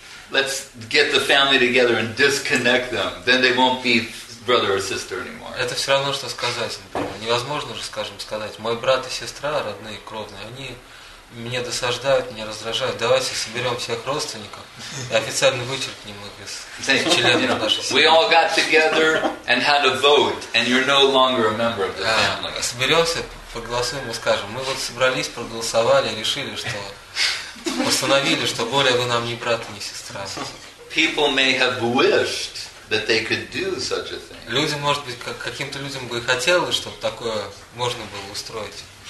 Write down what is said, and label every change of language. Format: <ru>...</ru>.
<en>Let's get the family together and disconnect them. Then they won't be brother or sister anymore.</en> <ru>Это все равно, что сказать, например. Невозможно же, скажем, сказать, мой брат и сестра, родные, кровные, они мне досаждают, меня раздражают. Давайте соберем всех родственников и официально вычеркнем их из членов нашей семьи.</ru> <en>We all got together and had a vote, and you're no longer a member of the family.</en> <ru>Соберемся, проголосуем и скажем, мы вот собрались, проголосовали, решили, что установили, что более вы нам не брат и не сестра.</ru> <en>People may have wished that they could do such a thing.</en> <ru>Люди, может быть, каким-то людям бы хотелось, чтобы такое можно было устроить.</ru>